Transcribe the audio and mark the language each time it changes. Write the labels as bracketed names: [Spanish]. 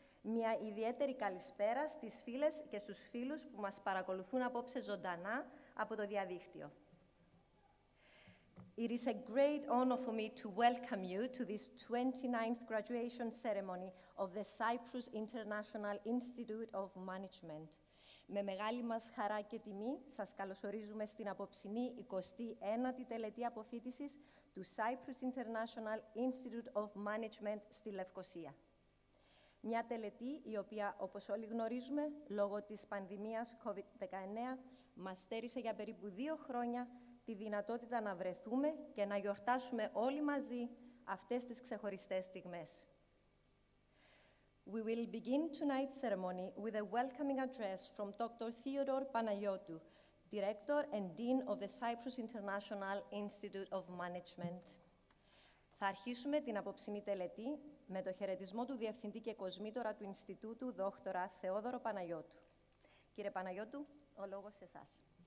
[Greek] Μια ιδιαίτερη καλησπέρα στις φίλες και στους φίλους που μας παρακολουθούν απόψε ζωντανά από το διαδίκτυο. [English] It is a great honor for me to welcome you to this 29th graduation ceremony of the Cyprus International Institute of Management. [Greek] Με μεγάλη μας χαρά και τιμή, σας καλωσορίζουμε στην απόψινή 29η τελετή αποφύτισης του Cyprus International Institute of Management στη Λευκωσία. Μια τελετή η οποία, όπως όλοι γνωρίζουμε, λόγω της πανδημίας COVID-19, μας στέρισε για περίπου 2 χρόνια τη δυνατότητα να βρεθούμε και να γιορτάσουμε όλοι μαζί αυτές τις ξεχωριστές στιγμές. [English] We will begin tonight's ceremony with a welcoming address from Dr. Theodore Panayotou, Director and Dean of the Cyprus International Institute of Management. [Greek] Θα αρχίσουμε την απόψινή τελετή με το χαιρετισμό του Διευθυντή και Κοσμήτορα του Ινστιτούτου, Δόκτωρα Θεόδωρο Παναγιώτου. Κύριε Παναγιώτου, ο λόγος σε εσάς.